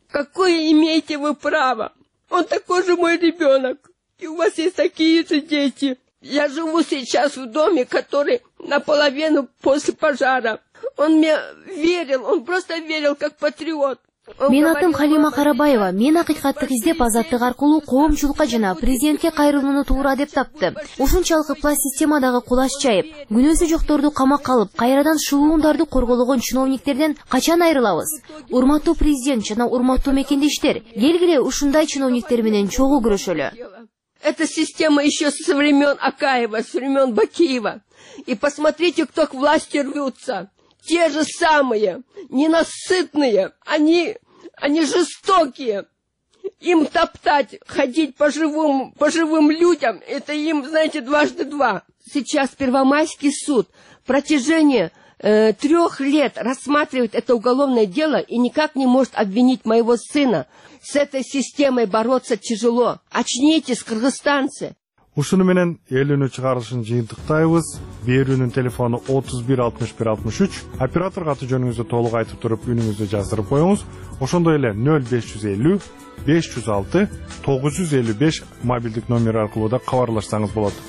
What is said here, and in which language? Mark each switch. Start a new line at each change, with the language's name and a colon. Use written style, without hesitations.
Russian: Какое имеете вы право? Он такой же мой ребенок. И у вас есть такие же дети. Я живу сейчас в доме, который наполовину после пожара. Он мне верил, он просто верил, как патриот.
Kyrgyz: Мен атым Халима Карабаева. Мен акыйкаттык издеп азаттык аркылуу коомчулукка жана президентке кайрылууну туура деп таптым. Ушунчалык пласт системадагы кулаш жайып, күнөөсү жокторду камакка алып, кайрадан шылуундарды корголгон чиновниктерден качан айрылабыз? Урматтуу президент жана урматтуу мекендештер, келгиле ушундай чиновниктер менен чогуу күрөшөлү.
Russian: Эта система еще со времен Акаева, со времен Бакиева. И посмотрите, кто к власти рвется. Те же самые, ненасытные, они жестокие. Им топтать, ходить по живым людям, это им, знаете, 2×2. Сейчас Первомайский суд в протяжении 3 лет рассматривает это уголовное дело и никак не может обвинить моего сына. С этой системой бороться тяжело. Очнитесь, кыргызстанцы.
Kyrgyz: Ушуну менен эл үнү чыгарылышын жыйынтыктайбыз. Берүүнүн телефону 31-61-63. Операторго аты жөнүңүздү толук айтып туруп, үнүңүздү жаздырып коюңуз. Ошондой эле 0550-506-955 мобилдик номер аркылуу да кабарлашсаңыз болот.